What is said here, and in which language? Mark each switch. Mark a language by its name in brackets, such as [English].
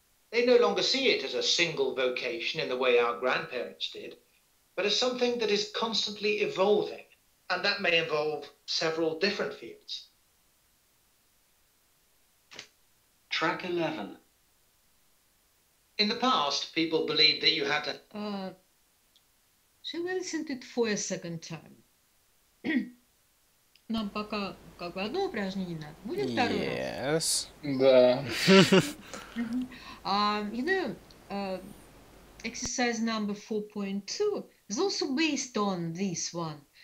[English] They no longer see it as a single vocation in the way our grandparents did, but as something that is constantly evolving, and that may involve several different fields. Track 11. In the past, people believed that you had to... Shall we listen to it for a second time? [Russian] Нам пока как бы одно упражнение надо. Будет второе? [English] Yes. [Russian] Да. [English] You know, exercise number 4.2 is also based on this one.